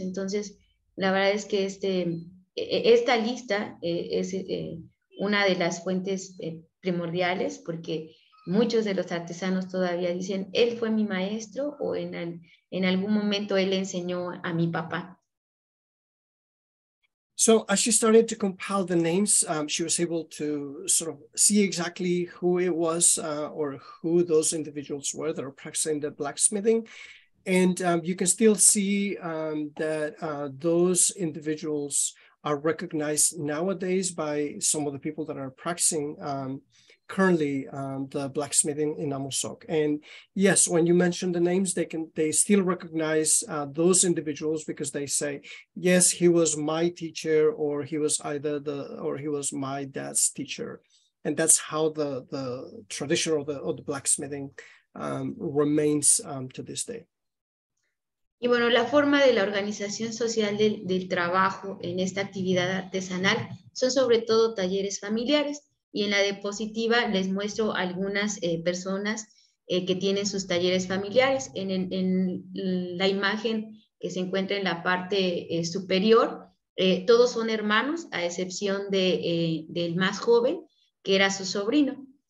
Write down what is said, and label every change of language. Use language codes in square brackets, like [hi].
[es] Entonces, la verdad es que esta lista es una de las fuentes primordiales, porque muchos de los artesanos todavía dicen, él fue mi maestro o en algún momento él enseñó a mi papá. [en] So as she started to compile the names, she was able to sort of see exactly who it was or who those individuals were that are practicing the blacksmithing. And you can still see that those individuals are recognized nowadays by some of the people that are practicing currently the blacksmithing in Amozoc. And yes, when you mention the names, they still recognize those individuals because they say, yes, he was my teacher, or he was either he was my dad's teacher. And that's how the tradition of the blacksmithing remains to this day. [es] Y bueno, la forma de la organización social del trabajo en esta actividad artesanal son sobre todo talleres familiares. Y en la diapositiva les muestro algunas personas que tienen sus talleres familiares. En la imagen que se encuentra en la parte superior, todos son hermanos, a excepción del más joven, que era su sobrino.